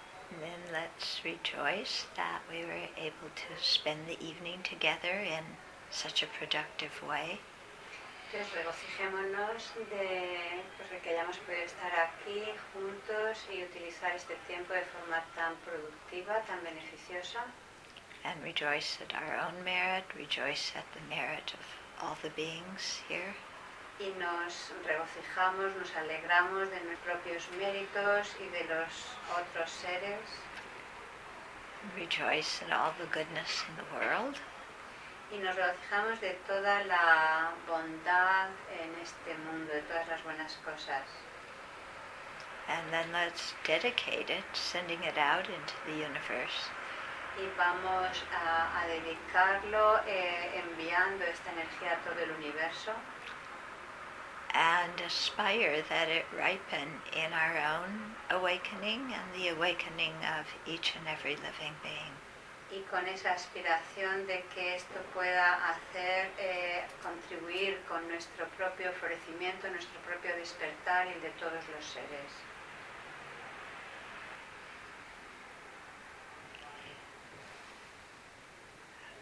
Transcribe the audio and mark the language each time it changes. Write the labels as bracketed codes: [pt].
[en] And then let's rejoice that we were able to spend the evening together in such a productive way. [es] Pues regocijémonos de que hayamos podido estar aquí juntos y utilizar este tiempo de forma tan productiva, tan beneficiosa. [en] And rejoice at our own merit, rejoice at the merit of all the beings here. [es] Y nos regocijamos, nos alegramos de nuestros propios méritos y de los otros seres. [en] Rejoice at all the goodness in the world. [es] Y nos regocijamos de toda la bondad en este mundo, de todas las buenas cosas. [en] And then let's dedicate it, sending it out into the universe. [es] Y vamos a dedicarlo enviando esta energía a todo el universo. [en] And aspire that it ripen in our own awakening and the awakening of each and every living being. [es] Y con esa aspiración de que esto pueda hacer contribuir con nuestro propio florecimiento, nuestro propio despertar y el de todos los seres.